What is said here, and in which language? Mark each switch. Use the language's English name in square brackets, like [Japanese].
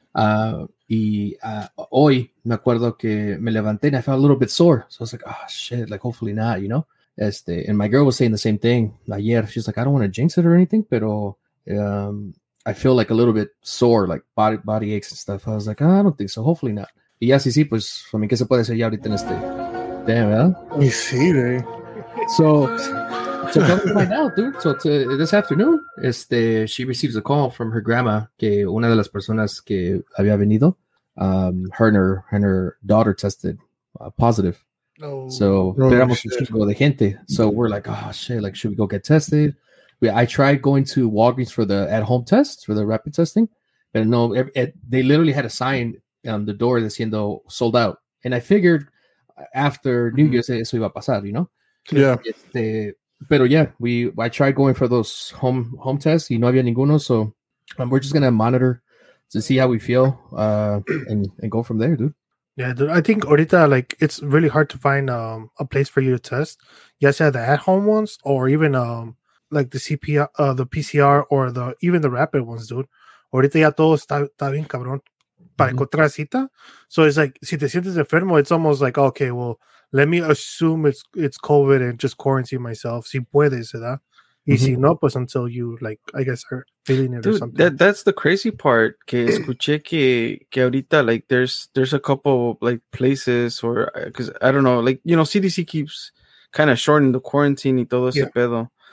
[Spanish] Hoy me acuerdo que me levanté [English] and I felt a little bit sore. So I was like, oh, shit, like, hopefully not, you know? Este, and my girl was saying the same thing ayer. She's like, I don't want to jinx it or anything, pero I feel like a little bit sore, like body aches and stuff. I was like, I don't think so, hopefully not. [Spanish] Y ya sí, pues, I mean, ¿qué se puede hacer ya ahorita en este? Damn, ¿verdad? Y sí, güey. [English] So come to find out, dude. So this afternoon, este, she receives a call from her grandma, [Spanish] que una de las personas que había venido, [English] her and her daughter tested positive. Oh, [Spanish] so esperamos un chico de gente. [English] So we're like, oh shit, like, should we go get tested? I tried going to Walgreens for the at-home test, for the rapid testing, but no, they literally had a sign on the door diciendo sold out. And I figured after New Year's, [Spanish] eso iba a pasar, [English] you know? Yeah. Este, pero yeah, I tried going for those home tests [Spanish] y no había ninguno, [English] so we're just gonna monitor to see how we feel and go from there, dude. Yeah, dude, I think ahorita, like, it's really hard to find a place for you to test. ya sea the at-home ones or even like the CPR, the PCR or the even the rapid ones, dude. [Spanish] Ahorita ya todo está bien cabrón para encontrar cita. [English] So it's like, [Spanish] si te sientes enfermo, [English] it's almost like, okay, well, let me assume it's COVID and just quarantine myself. [Spanish] Si puedes, ¿verdad? Y si no, pues [English] until you, like, I guess, are feeling it, dude, or something. That's the crazy part. [Spanish] Que escuché que ahorita, [English] like, there's a couple, like, places or, because I don't know, like, you know, CDC keeps kind of shortening the quarantine [Spanish] y todo ese pedo.